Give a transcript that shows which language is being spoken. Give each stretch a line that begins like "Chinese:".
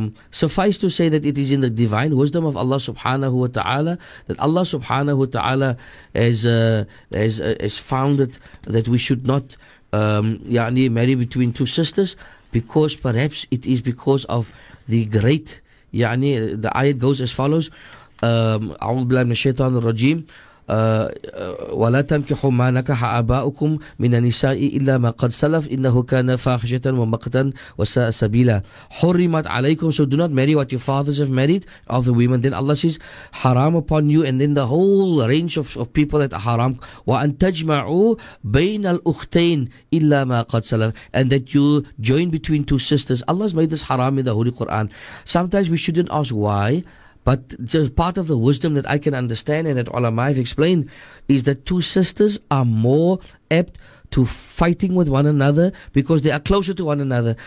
English: Suffice to say that it is in the divine wisdom of Allah subhanahu wa ta'ala that Allah subhanahu wa ta'ala has found it that we should not marry between two sisters, because perhaps it is because of the great the ayat goes as follows, A'udhu billahi minash shaitan ar-rajim.
Arabic: ولا تنكحوا ما نكح آباؤكم من النساء إلا ما قد سلف إنه كان فاحشة ومقتا وساء سبيلا حرمت عليكم.
English: So do not marry what your fathers have married of the women. Then Allah says haram upon you, and then the whole range of people that are haram.
Arabic: وأن تجمعوا بين الأختين إلا ما قد سلف,
English: and that you join between two sisters. Allah has made this haram in the Holy Quran. Sometimes we shouldn't ask why, but just part of the wisdom that I can understand and that ulama have explained is that two sisters are more apt to fighting with one another because they are closer to one another.